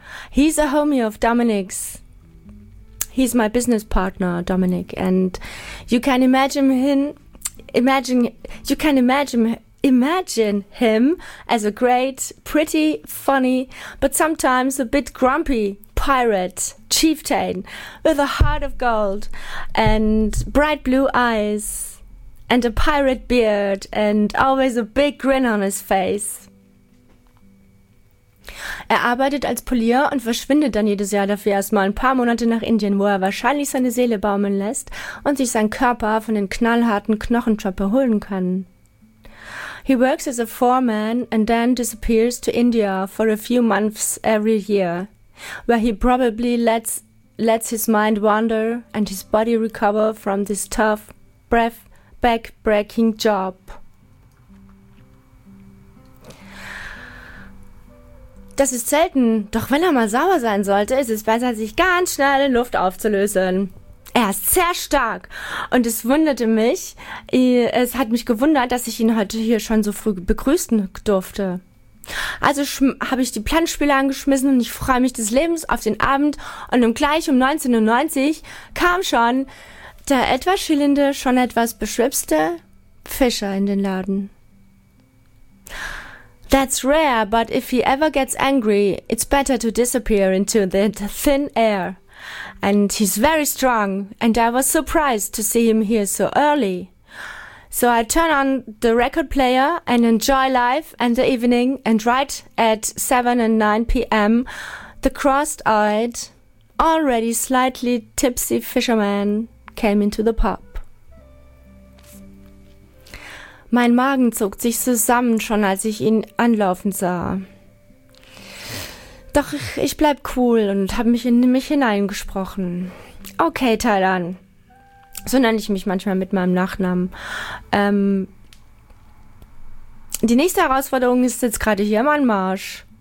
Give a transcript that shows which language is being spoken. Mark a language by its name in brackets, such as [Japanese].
[English] He's a homie of Dominic's. He's my business partner, Dominic, and you can imagine him as a great, pretty, funny, but sometimes a bit grumpy pirate chieftain with a heart of gold and bright blue eyes and a pirate beard and always a big grin on his face. [German] Er arbeitet als Polier und verschwindet dann jedes Jahr dafür erstmal ein paar Monate nach Indien, wo er wahrscheinlich seine Seele baumeln lässt und sich sein Körper von den knallharten Knochenjobs erholen kann. [English] He works as a foreman and then disappears to India for a few months every year, where he probably lets his mind wander and his body recover from this tough, back-breaking job. [German] Das ist selten, doch wenn er mal sauer sein sollte, ist es besser, sich ganz schnell in Luft aufzulösen. Er ist sehr stark und es hat mich gewundert, dass ich ihn heute hier schon so früh begrüßen durfte. Also habe ich die Planspiele angeschmissen und ich freue mich des Lebens auf den Abend und gleich um 19.90 Uhr kam schon der etwas schillende, schon etwas beschwipste Fischer in den Laden. [English] That's rare, but if he ever gets angry, it's better to disappear into the thin air. And he's very strong, and I was surprised to see him here so early. So I turn on the record player and enjoy life and the evening, and right at 7 and 9 p.m., the crossed-eyed, already slightly tipsy fisherman came into the pub. [German] Mein Magen zog sich zusammen, schon als ich ihn anlaufen sah. Doch ich bleib cool und hab mich in mich hineingesprochen. Okay, Thailand. So nenne ich mich manchmal mit meinem Nachnamen. Die nächste Herausforderung ist jetzt gerade hier im Anmarsch.